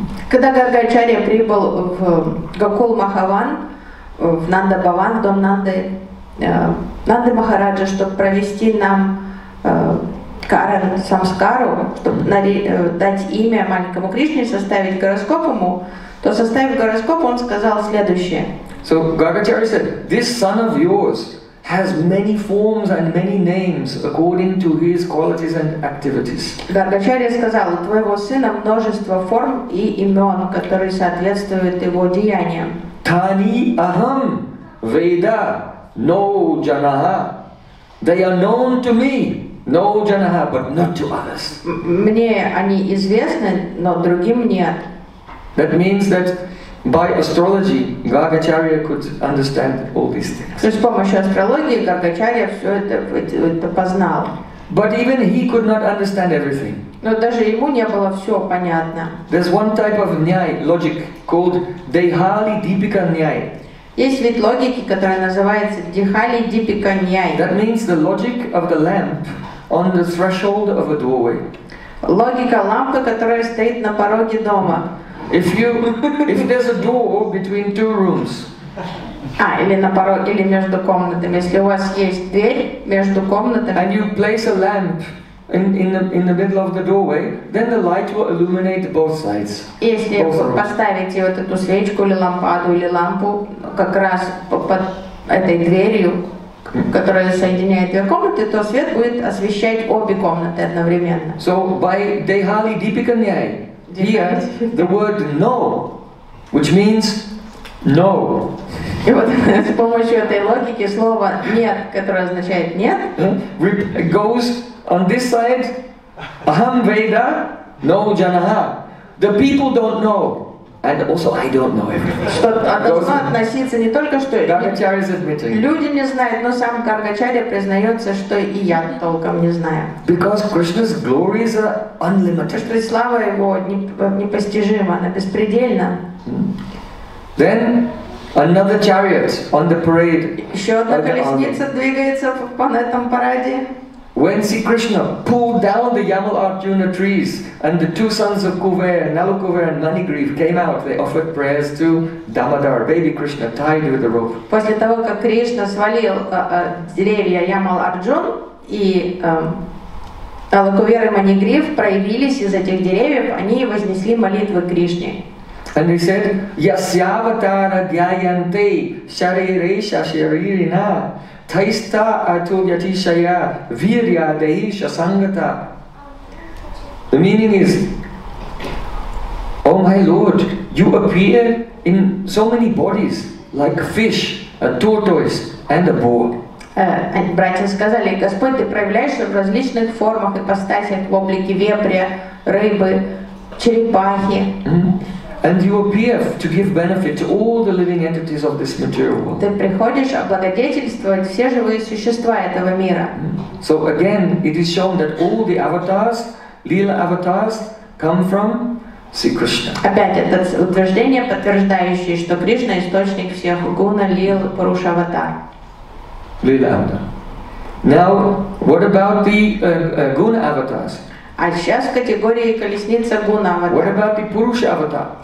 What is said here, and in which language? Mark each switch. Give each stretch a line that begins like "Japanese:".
Russian: Когда Гаргачарья прибыл в Гокул Махаван, в Нанда Бхаван, в дом Нанды Махараджа, чтобы провести нам Каран Самскару, чтобы дать имя маленькому Кришне, составить гороскоп ему, то составив гороскоп, он сказал следующее.
English: So Gargacharya said, this son of yours has many forms and many names according to his qualities and activities.
Russian: Гаргачарья сказал, у твоего сына множество форм и имен, которые соответствуют его деяниям.
Sanskrit: Тани Ахам Веда Но Джанаха.
English: They are known to me.
Sanskrit: No Janaha,
English: but not to others.
Russian: Мне они известны, но другим нет.
English: That means that by astrology, Gargacharya could understand all these things.
Russian: То есть с помощью астрологии Гаргачарья все это познал.
English: But even he could not understand everything.
Russian: Но даже ему не было все понятно.
English: There's one type of nyay logic called Dehali Deepika Nyay.
Russian: Есть вид логики, которая называется Дихали Дипика Ньяй.
English: That means the logic of the lamp on the threshold of a doorway.
Russian: Логика лампы, которая стоит на пороге дома.
English: If there's a door between two rooms.
Russian: А, или на пороге, или между комнатами. Если у вас есть дверь между комнатами.
English: And you place a lamp in the middle of the doorway, then the light will illuminate both sides.
Russian: Если поставите вот эту свечку или лампаду или лампу как раз под этой дверью, которая соединяет две комнаты, то свет будет освещать обе комнаты одновременно.
English: So by Dehali Deepika Nyay, here the word no, which means No.
Russian: И вот с помощью этой логики слово нет, которое означает нет,
English: goes on this side,
Sanskrit: aham veda, no janaha.
English: The people don't know, and also I don't know everything.
Russian: Что должно относиться не только что.
English: Каргачари is admitting.
Russian: Люди не знают, но сам Каргачари признается, что и я толком не знаю.
English: Because Krishna's glory is unlimited.
Russian: Что слава его непостижима, она беспредельна.
English: Then another chariot on the parade.
Russian: Еще одна колесница двигается по этом параде.
English: When Sri Krishna pulled down the Yamal Arjuna trees and the two sons of Kuvera, Nalukuvera and Nanigrif came out, they offered prayers to Damodar, baby Krishna, tied with a rope.
Russian: После того, как Кришна свалил деревья Ямал Арджун и Налукувера и Манигриф проявились из этих деревьев, они вознесли молитвы Кришне.
English: And he said,
Sanskrit: Yasyavatara Gyayante Sharirisha Sharirina Taista Atulyatishaya Virya Deisha Sangata.
English: The meaning is, oh my Lord, you appear in so many bodies, like a fish, a tortoise, and a boar.
Russian: Братья сказали, Господь, ты проявляешься в различных формах, ипостасях, в облике вепря, рыбы, черепахи.
English: And you appear to give benefit to all the living entities of this material world.
Russian: Ты приходишь облагодетельствовать все живые существа этого мира.
English: So again, it is shown that all the avatars, lila avatars, come from Sri Krishna.
Russian: Опять это утверждение, подтверждающее, что Кришна источник всех гуна, лил, пуруша, аватар.
English: Lila avatar. Now, what about the guna avatars?
Russian: А сейчас в категории колесница гуна аватар.
English: What about the Purusha avatar?